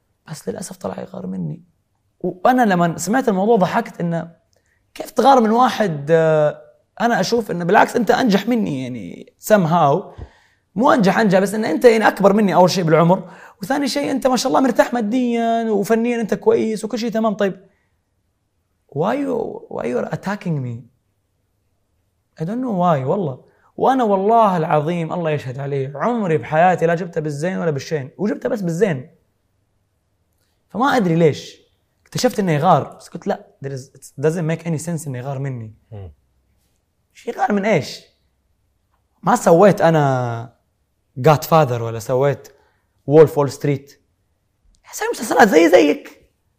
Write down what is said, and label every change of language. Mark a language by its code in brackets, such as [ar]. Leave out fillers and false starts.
[ar] بس للأسف طلع يغار مني وأنا لما سمعت الموضوع ضحكت إنه كيف تغار من واحد أنا أشوف إنه بالعكس أنت أنجح مني يعني somehow مو أنجح أنجح بس إنه أنت يعني أكبر مني أول شيء بالعمر وثاني شيء أنت ما شاء الله مرتاح ماديا وفنيا أنت كويس وكل شيء تمام. طيب [en] why you attacking me I don't know why [ar] والله. وأنا والله العظيم الله يشهد عليه عمري بحياتي لا جبتها بالزين ولا بالشين وجبتها بس بالزين فما أدري ليش اكتشفت إنه يغار. بس قلت لا [en] it doesn't make any sense [ar] إنه يغار مني شيء غير من إيش ما سويت أنا Godfather ولا سويت Wolf Wall Street سويت مسلسلات زي زيك.